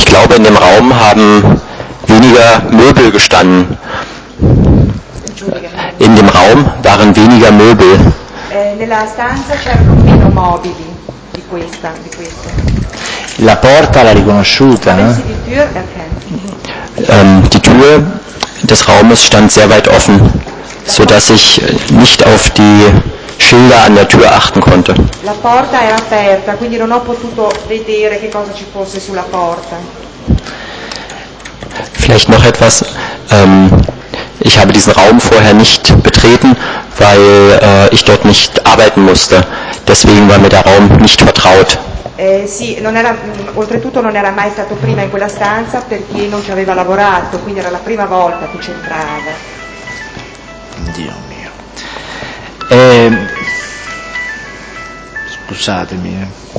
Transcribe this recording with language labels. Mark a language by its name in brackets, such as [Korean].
[German] In dem Raum haben weniger Möbel gestanden. In dem Raum waren weniger Möbel. [Italian] Nella stanza c'erano meno mobili di questa. Di questo. La porta l'ha riconosciuta. [German] Die Tür des Raumes stand sehr weit offen, sodass ich nicht auf die Schilder an der Tür achten konnte. [Italian] La porta era aperta, quindi non ho potuto vedere che cosa ci fosse sulla porta. [German] Vielleicht noch etwas. Ich habe diesen Raum vorher nicht betreten, weil ich dort nicht arbeiten musste. Deswegen war mir der Raum nicht vertraut. [Italian] Sì, non era, oltretutto non era mai stato prima in quella stanza perché non ci aveva lavorato, quindi era la prima volta che ci entrava. Dio mio. Scusatemi.